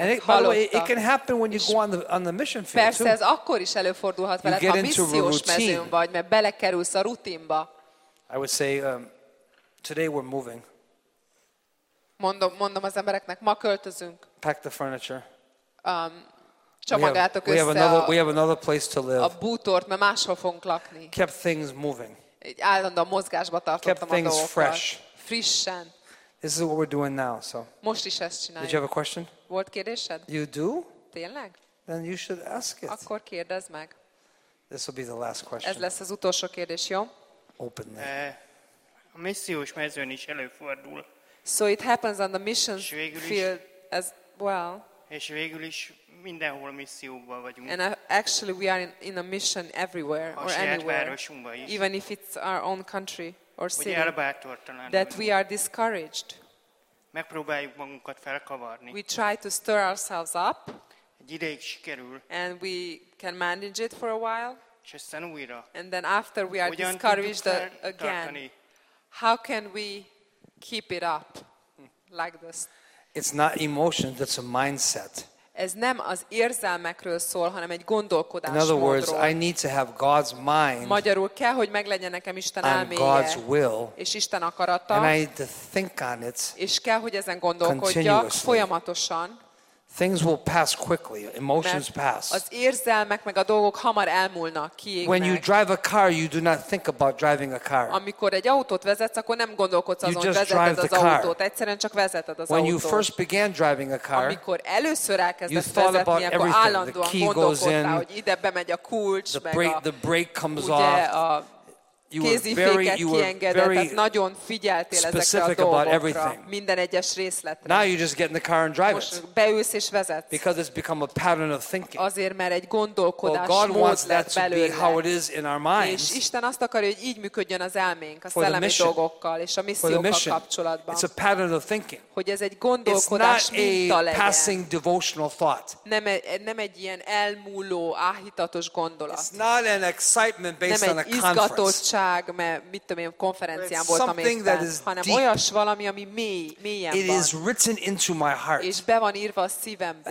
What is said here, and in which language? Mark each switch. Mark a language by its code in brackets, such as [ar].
[en] And by the way, it can happen when you go on the mission field. [hu] Persze, ez akkor is előfordulhat veled, ha missziós mezőn vagy, mert belekerülsz a rutinba. [en] I would say today we're moving. [hu] Mondom az embereknek, ma költözünk. [en] Pack the furniture. [hu] Csomagátok [en] össze. We have another place to live. [hu] A bútort, mert máshol fogunk lakni. [en] Kept things moving. [hu] Így állandóan mozgásba tartottam [en] kept [hu] a dolgokat. [en] Fresh. [hu] Frissen. [en] This is what we're doing now, so. [hu] Most is ezt csináljuk. [en] Did you have a question? [hu] Volt kérdésed? [en] You do? [hu] Tényleg? [en] Then you should ask it. [hu] Akkor kérdezd meg. [en] This will be the last question. [hu] Ez lesz az utolsó kérdés, jó? [en] Open it. [hu] A missziós mezőn is előfordul. [en] So it happens on the mission field as well. [hu] És végül is mindenhol misszióban vagyunk. [en] And actually we are in a mission everywhere or anywhere. [hu] A saját városunkban is. [en] Even if it's our own country. or city, that we are discouraged. [hu] Megpróbáljuk magunkat felkavarni. [en] We try to stir ourselves up. [hu] Egy ideig sikerül. [en] And we can manage it for a while. [hu] És aztán újra. [en] And then after we are discouraged again. How can we keep it up like this? It's not emotion, that's a mindset. [hu] Ez nem az érzelmekről szól, hanem egy gondolkodásmódról. [en] In other words, I need to have God's mind. [hu] Magyarul kell, hogy meglegyen nekem Isten elméje. [en] God's will. [hu] És Isten akarata. [en] And I need to think on it. [hu] És kell, hogy ezen gondolkodjak folyamatosan. [en] Things will pass quickly. Emotions pass. [hu] Az érzelmek meg a dolgok hamar elmúlnak, kiégnek. [en] When you drive a car, you do not think about driving a car. [hu] Amikor egy autót vezetsz, akkor nem gondolkodsz azon, hogy vezeted az autót. Egyszerűen csak vezeted az autót. [en] When you first began driving a car, [hu] amikor először elkezdett vezetni, akkor állandóan gondolkodtál, hogy ide bemegy a kulcs, [en] the brake comes off. You were very [hu] nagyon figyeltél ezekre a dolgokra, minden egyes részletre. [en] Now you just get in the car and drive [hu] it. Beülsz és vezetsz. [en] Because it's become a pattern of thinking. [hu] Azért, mert egy gondolkodás mód lett belőle. [en] God wants that to be how it is in our minds. [hu] És Isten azt akarja, hogy így működjön az elménk a szellemi dolgokkal és a missziókkal kapcsolatban. [en] It's a pattern of thinking. [hu] Hogy ez egy gondolkodás minta legyen. [en] It's not a passing devotional thought. [hu] Nem egy ilyen elmúló, áhítatos gondolat. [en] It's not an excitement based on a conference. [hu] Mit tudom én, konferencián voltam éppen, hanem olyas valami, ami mélyen [en] it [hu] van. [en] Is written into my heart. [hu] És be van írva a szívembe.